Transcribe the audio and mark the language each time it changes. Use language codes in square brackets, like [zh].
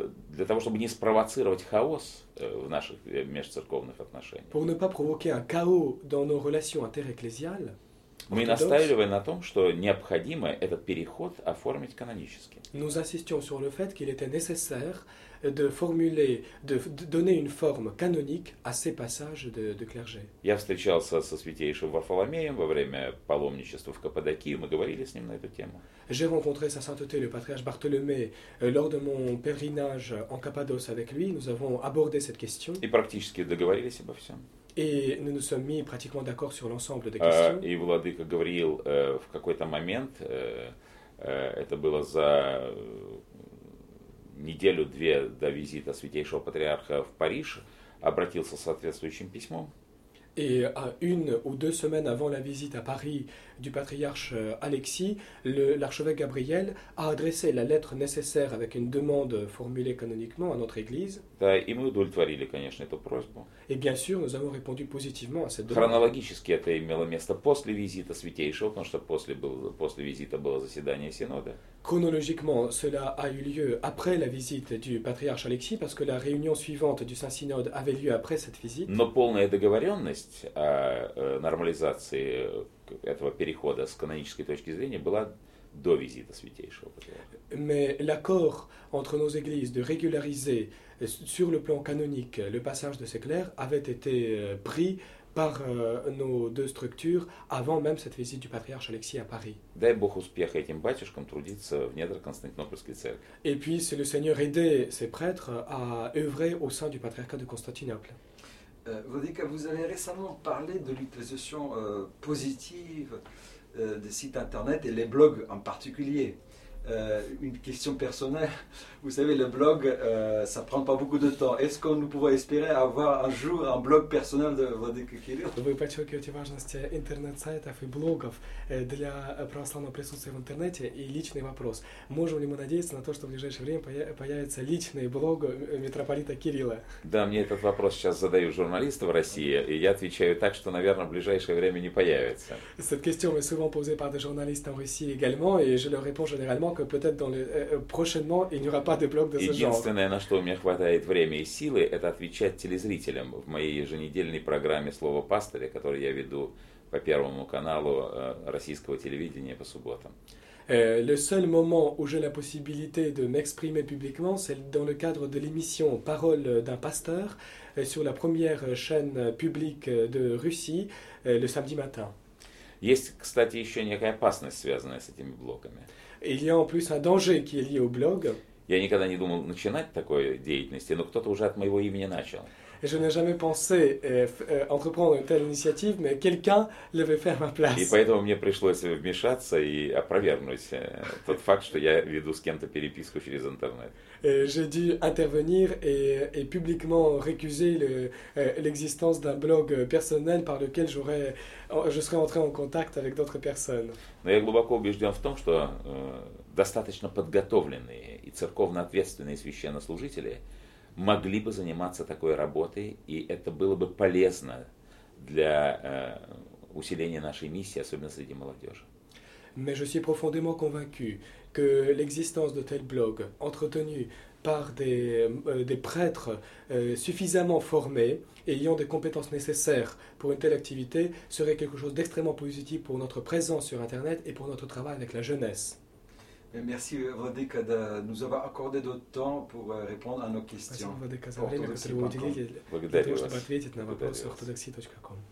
[ru] Для того, чтобы не спровоцировать хаос в наших межцерковных отношениях. [fr] Pour ne pas provoquer un chaos dans nos relations inter-ecclésiales. [ru] Мы настаивали на том, что необходимо этот переход оформить канонически. [fr] Nous insistions sur le fait qu'il était nécessaire de formuler, de donner une forme canonique à ces passages de clergé. [ru] Я встречался со святейшим Варфоломеем во время паломничества в Каппадокию. Мы говорили с ним на эту тему. [fr] J'ai rencontré sa sainteté le patriarche Bartholomée lors de mon pèlerinage en Cappadoce avec lui. Nous avons abordé cette question. [ru] И практически договорились обо всем. [fr] Et nous nous sommes mis pratiquement d'accord sur l'ensemble des questions. [ru] И владыка говорил в какой-то момент, это было за неделю-две до визита святейшего патриарха в Париж, обратился с соответствующим письмом. [fr] Et à une ou deux semaines avant la visite à Paris du patriarche Alexis, l'archevêque Gabriel a adressé la lettre nécessaire avec une demande formulée canoniquement à notre église. [ru] Да, и мы удовлетворили, конечно, эту просьбу. [fr] Et bien sûr, nous avons répondu positivement à cette demande. [ru] Хронологически это имело место после визита святейшего, потому что после визита было заседание синода. [fr] Chronologiquement, cela a eu lieu après la visite du patriarche Alexis, parce que la réunion suivante du Saint-Synode avait lieu après cette visite. [ru] Но полная договоренность о нормализации этого перехода с канонической точки зрения была до визита святейшего патриарха. [fr] Mais l'accord entre nos églises de régulariser sur le plan canonique le passage de ces clercs avait été pris par nos deux structures avant même cette visite du patriarche Alexis à Paris. [ru] Дай Бог успеха этим батюшкам трудиться в недрах Константинопольской церкви. [fr] Et puis, le Seigneur aidait ces prêtres à œuvrer au sein du patriarcat de Constantinople. Vous avez récemment parlé de l'utilisation positive des sites internet et les blogs en particulier. Une question personnelle. Vous savez, le blog, ça prend pas beaucoup de temps. Est-ce que nous pouvons espérer avoir un jour un blog personnel de Владыка Кирилл? [ru] Вы подчеркиваете важность интернет-сайтов и блогов для православного присутствия в интернете. И личный вопрос. Можем ли мы надеяться на то, что в ближайшее время появится личный блог митрополита Кирилла? Да, мне этот вопрос сейчас задают журналисты в России, и я отвечаю так, что, наверное, в ближайшее время не появится. [fr] Cette question est souvent posée par des journalistes en Russie également, et je leur réponds généralement que peut-être dans les, prochainement il n'y aura pas de blog de ce genre. [ru] Единственное, на что у меня хватает времени и силы, это отвечать телезрителям в моей еженедельной программе «Слово пастыря», которую я веду по Первому каналу российского телевидения по субботам. [fr] Le seul moment où j'ai la possibilité de m'exprimer publiquement, c'est dans le cadre de l'émission «Parole d'un pasteur» sur la première chaîne publique de Russie le samedi matin. [ru] Есть, кстати, еще некая опасность, связанная с этими блогами. [fr] Il y a en plus un danger qui est lié au blog. [ru] Я никогда не думал начинать такой деятельности, но кто-то уже от моего имени начал. [fr] Je n'ai jamais pensé entreprendre une telle initiative, mais quelqu'un l'avait fait à ma place. [ru] И поэтому мне пришлось вмешаться и опровергнуть тот факт, что я веду с кем-то переписку через интернет. [fr] J'ai dû intervenir et publiquement récuser l'existence d'un blog personnel par lequel je serais entré en contact avec d'autres personnes. [ru] Но я глубоко убежден в том, что достаточно подготовленные и церковно ответственные священнослужители могли бы заниматься такой работой, и это было бы полезно для усиления нашей миссии, особенно среди молодежи. [fr] Mais je suis profondément convaincu que l'existence de tels blogs, entretenus par des prêtres suffisamment formés et ayant des compétences nécessaires pour une telle activité, serait quelque chose d'extrêmement positif pour notre présence sur Internet et pour notre travail avec la jeunesse. Merci, Владыка, de nous avoir accordé de temps pour répondre à nos questions. [ru] Merci, Владыка, за время, которое вы уделили для того, чтобы ответить на вопросы orthodoxie.com.